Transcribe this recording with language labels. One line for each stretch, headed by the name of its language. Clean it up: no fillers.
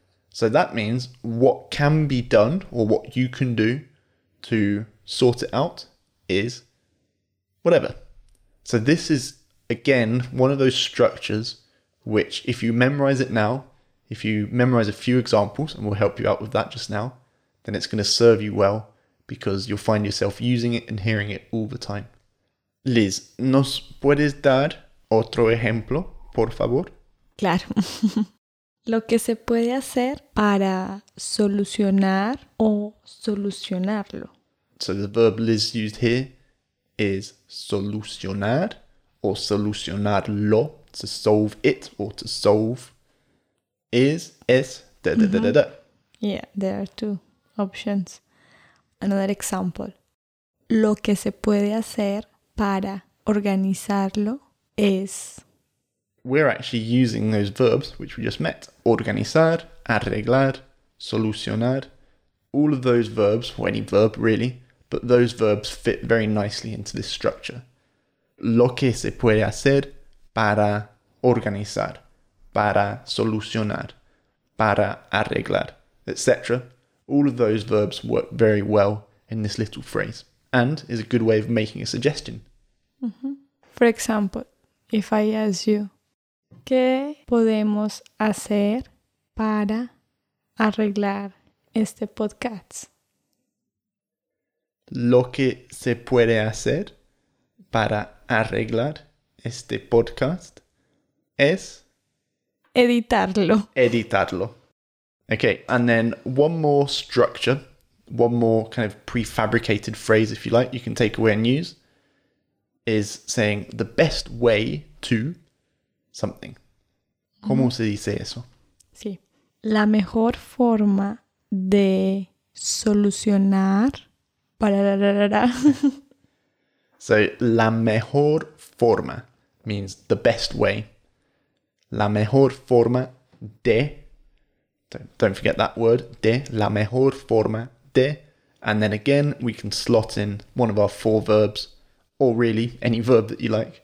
English: So, that means what can be done or what you can do to sort it out is whatever. So this is again, one of those structures which, if you memorize it now, if you memorize a few examples, and we'll help you out with that just now, then it's going to serve you well because you'll find yourself using it and hearing it all the time.
Spanish: Liz, ¿nos puedes dar otro ejemplo, por favor? Claro. Lo que se puede hacer para solucionar o solucionarlo.
English: So the verb Liz used here is
Spanish: solucionar o solucionarlo,
English: to solve it or to solve, is,
Spanish: es, da da da da da.
English: Yeah, there are two options. Another example.
Spanish: Lo que se puede hacer para organizarlo es...
English: We're actually using those verbs which we just met.
Spanish: Organizar, arreglar, solucionar.
English: All of those verbs, or any verb really, but those verbs fit very nicely into this structure.
Spanish: Lo que se puede hacer para organizar, para solucionar, para arreglar, etc.
English: All of those verbs work very well in this little phrase and is a good way of making a suggestion.
Spanish: Mm-hmm.
English: For example, if I ask you,
Spanish: ¿qué podemos hacer para arreglar este podcast? Lo que se puede hacer para arreglar este podcast es... Editarlo. Editarlo.
English: Okay, and then one more structure, one more kind of prefabricated phrase, if you like, you can take away and use, is saying the best way to...
Spanish: something. ¿Cómo se dice eso? Sí. La mejor forma de solucionar para la, la, la, la.
English: So,
Spanish: la mejor forma
English: means the best way.
Spanish: La mejor forma de,
English: don't forget that word,
Spanish: de, la mejor forma de,
English: and then again we can slot in one of our four verbs, or really any verb that you like.